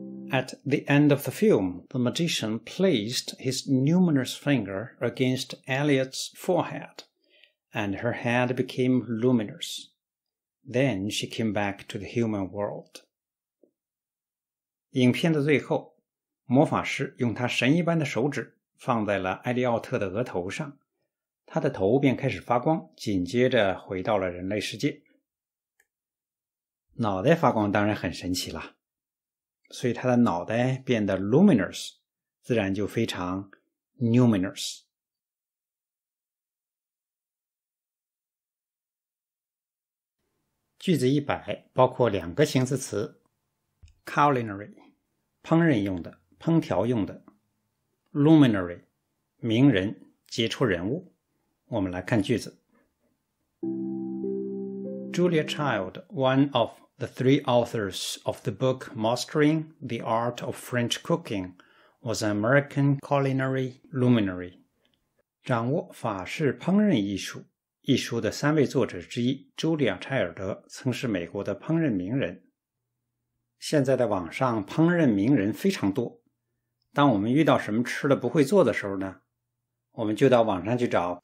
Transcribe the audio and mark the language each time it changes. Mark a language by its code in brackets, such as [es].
[en] At the end of the film, the magician placed his numinous finger against Elliot's forehead, and her head became luminous. Then she came back to the human world. [zh] 影片的最后，魔法师用他神一般的手指放在了艾利奥特的额头上，他的头便开始发光，紧接着回到了人类世界。脑袋发光当然很神奇了。所以他的脑袋变得 luminous， 自然就非常 numinous。句子100包括两个形式词 culinary， 烹饪用的、烹调用的。 luminary， 名人、杰出人物。我们来看句子。 [en] Julia Child, one of The three authors of the book Mastering the Art of French Cooking was an American culinary luminary. [zh] 掌握法式烹饪艺术一书的三位作者之一茱莉亚·柴尔德曾是美国的烹饪名人。现在的网上烹饪名人非常多，当我们遇到什么吃的不会做的时候呢，我们就到网上去找